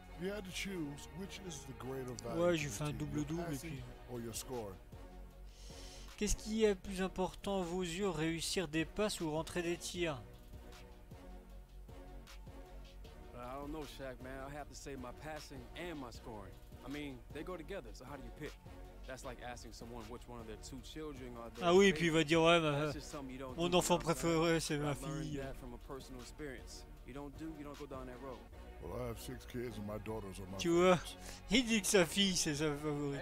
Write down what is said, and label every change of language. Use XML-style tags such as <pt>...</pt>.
<en>You had to choose which is the greater value.</en> <fr>Ouais, j'ai fait un double-double et puis...</fr> <en>Or your score.</en> <fr>Qu'est-ce qui est plus important à vos yeux, réussir des passes ou rentrer des tirs?</fr> <en>I don't know, Shaq, man. I have to say my passing and my scoring. I mean, they go together, so how do you pick? That's like asking someone which one of their two children are their</en> <fr>favorite. Ah oui, puis il va dire ouais, bah, mon enfant préféré, c'est ma fille.</fr> <en>I learned that from a personal experience. You don't do, you don't go down that road. Well, I have six kids and my daughters are my</en> <fr>favorite. Tu vois, il dit que sa fille c'est sa favorite.</fr>